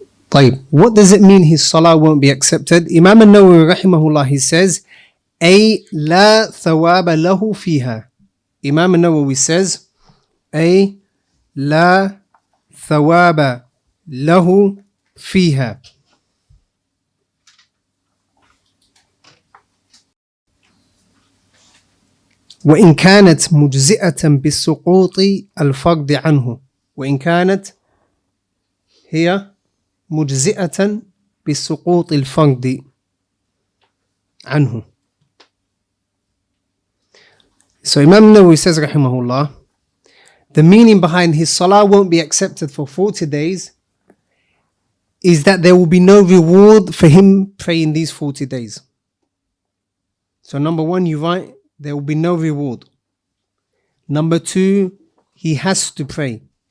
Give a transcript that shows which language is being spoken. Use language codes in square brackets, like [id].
[en] طيب, what does it mean his salah won't be accepted? Imam al-Nawawi rahimahullah, he says, [ar] أي لا ثواب له فيها. [en] Imam al-Nawawi says, [ar] أي لا ثواب له فيها. وإن كانت مجزئة بسقوط الفرض عنه. وإن كانت هي مجزئة بسقوط الفرض عنه. [en] So Imam Nawawi says, rahimahullah, the meaning behind his salah won't be accepted for 40 days is that there will be no reward for him praying these 40 days. So number one, you're right, there will be no reward. Number two, he has to pray.